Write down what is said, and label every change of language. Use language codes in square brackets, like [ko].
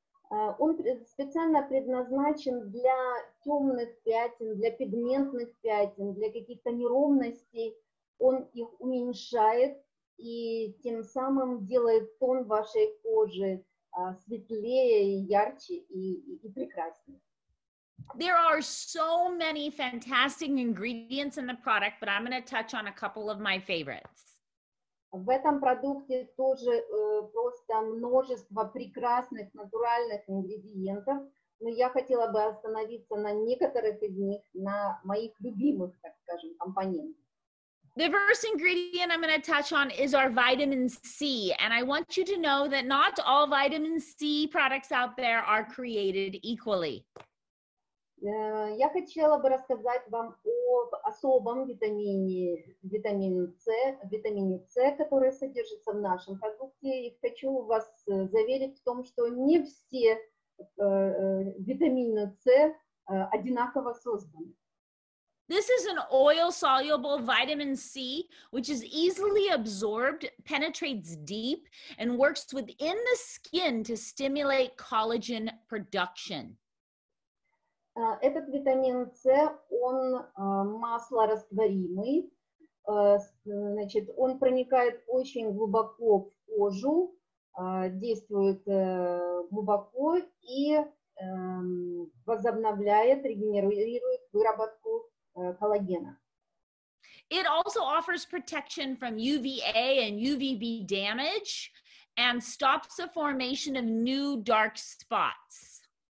[ru] Он специально предназначен для темных пятен, для пигментных пятен, для каких-то неровностей. Он их уменьшает и тем самым делает тон вашей кожи светлее, ярче и прекраснее. [en] There are so many fantastic ingredients in the product, but I'm going to touch on a couple of my favorites. [ru] В этом продукте тоже просто множество прекрасных натуральных ингредиентов, но я хотела бы остановиться на некоторых из них, на моих любимых, так скажем, компонентах. [en] The first ingredient I'm going to touch on is our vitamin C, and I want you to know that not all vitamin C products out there are created equally. [ru] Я хотела бы рассказать вам об особом витамине, витамине С, который содержится в нашем продукте, и хочу вас заверить в том, что не все витамины С одинаково созданы. [en] This is an oil-soluble vitamin C, which is easily absorbed, penetrates deep, and works within the skin to stimulate collagen production. [ru] Этот витамин С, он маслорастворимый, значит, он проникает очень глубоко в кожу, действует глубоко и возобновляет, регенерирует выработку коллагена. [en] It also offers protection from UVA and UVB damage and stops the formation of new dark spots.